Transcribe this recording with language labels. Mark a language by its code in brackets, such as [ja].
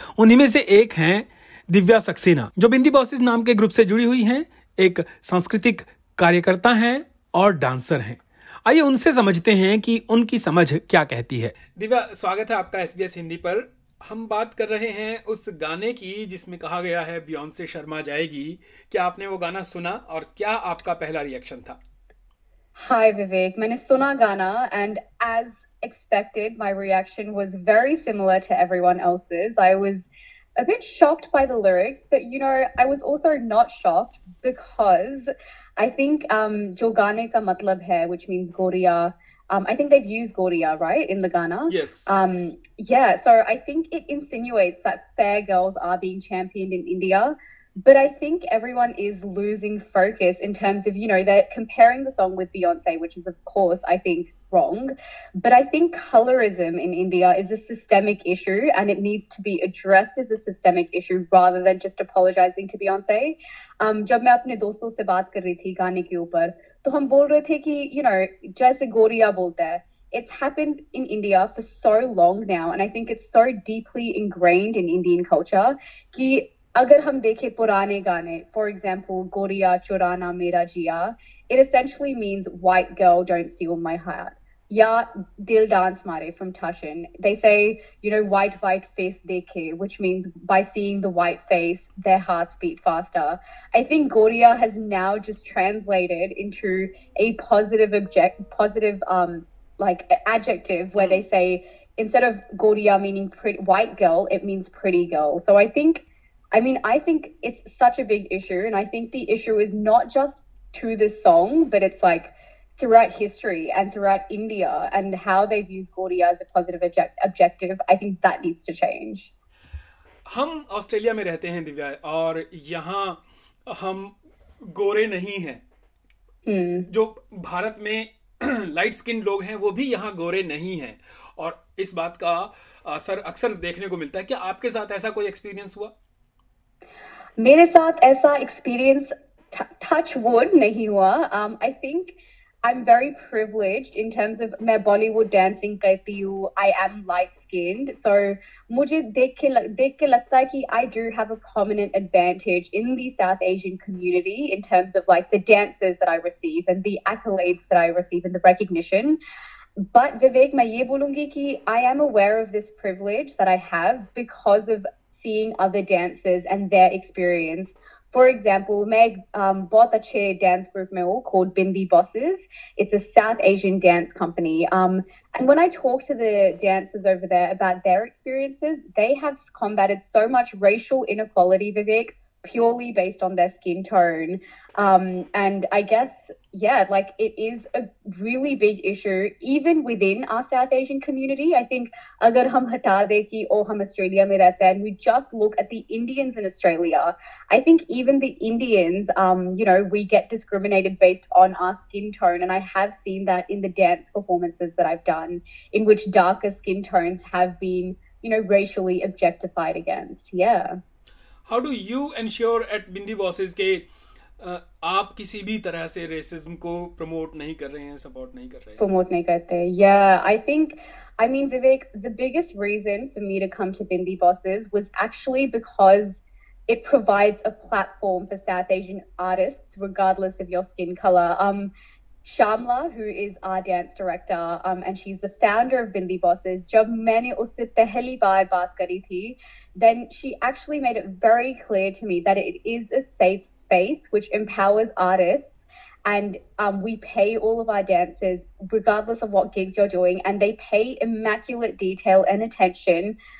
[hi] उन्हीं में से एक हैं दिव्या सक्सेना, जो बिंदी बॉसेस नाम के ग्रुप से जुड़ी हुई हैं, एक सांस्कृतिक कार्यकर्ता हैं और डांसर हैं। आइए उनसे समझते हैं कि उनकी समझ क्या कहती है। दिव्या, स्वागत है आपका SBS हिंदी पर। हम बात कर रहे हैं उस गाने की जिसमें कहा गया है बियॉन्से शर्मा जाएगी। क्या आपने वो गाना सुना और क्या आपका पहला रिएक्शन था? [en] Hi Vivek, [hi] मैंने सुना गाना [en] and as expected my reaction was very similar to everyone else's. I was a bit shocked by the lyrics, but you know I was also not shocked because I think [hi] जो गाने का मतलब है, [en] which means गोरिया, I think they've used गोरिया right in the गाना. Yes. Yeah, so I think it insinuates that fair girls are being championed in India. But I think everyone is losing focus in terms of, you know, they're comparing the song with Beyonce, which is, of course, I think, wrong. But I think colorism in India is a systemic issue and it needs to be addressed as a systemic issue rather than just apologizing to Beyonce. [hi] जब मैं अपने दोस्तों से बात कर रही थी गाने के ऊपर, तो हम बोल रहे थे कि, you know, जैसे गोरिया बोलते हैं, [en] it's happened in India for so long now and I think it's so deeply ingrained in Indian culture [hi] कि अगर हम देखें पुराने गाने, [en] for example, [hi] गोरिया चुराना मेरा जिया, [en] it essentially means white girl don't steal my heart. [hi] या दिल डांस मारे from Tashin. [en] They say, you know, white white face देखे, which means by seeing the white face, their hearts beat faster. I think गोरिया has now just translated into a positive object, positive like adjective where they say instead of गोरिया meaning pretty, white girl, it means pretty girl. So I think I think it's such a big issue and I think the issue is not just to this song, but it's like throughout history and throughout India and how they've used Gaudiya as a positive objective, I think that needs to change. [hi] हम Australia में रहते हैं दिव्या, और यहाँ हम गोरे नहीं हैं. जो भारत में लाइट स्किन लोग हैं वो भी यहाँ गोरे नहीं हैं, और इस बात का असर अक्सर देखने को मिलता है. क्या आपके साथ ऐसा कोई एक्सपीरियंस हुआ? मेरे साथ ऐसा एक्सपीरियंस टच वुड नहीं हुआ. [en] I think I am very privileged in terms of [hi] मैं बॉलीवुड डांसिंग करती हूँ. [en] I am light skinned, so [hi] मुझे देख के लगता है कि [en] I do have a prominent advantage in the South Asian community in terms of like the dances that I receive and the accolades that I receive and the recognition. But Vivek, [hi] मैं ये बोलूंगी कि [en] I am aware of this privilege that I have because of seeing other dancers and their experience. For example, [hi] मैं बहुत अच्छे dance group में हूँ called Bindi Bosses. [en] It's a South Asian dance company. And when I talk to the dancers over there about their experiences, they have combated so much racial inequality, Vivek, purely based on their skin tone. And I guess, yeah, like it is a really big issue even within our South Asian community. I think [hi] agar hum hata deti aur hum Australia mein rehte hain, [en] we just look at the Indians in Australia. I think even the Indians, you know, we get discriminated based on our skin tone. And I have seen that in the dance performances that I've done in which darker skin tones have been, you know, racially objectified against. Yeah. How do you ensure at Bindi Bosses [hi] ke आप किसी भी तरह से racism को promote नहीं कर रहे हैं, सपोर्ट नहीं कर रहे हैं? प्रमोट नहीं करते. [en] Yeah, I think, I mean, Vivek, the biggest reason for me to come to Bindi Bosses was actually because it provides a platform for South Asian artists, regardless of your skin color. Shamla, who is our dance director, and she's the founder of Bindi Bosses, [hi] जब मैंने उससे पहली बार बात करी थी, [en] then she actually made it very clear to me that it is a safe space which empowers artists, and we pay all of our dancers regardless of what gigs you're doing, and they pay immaculate detail and attention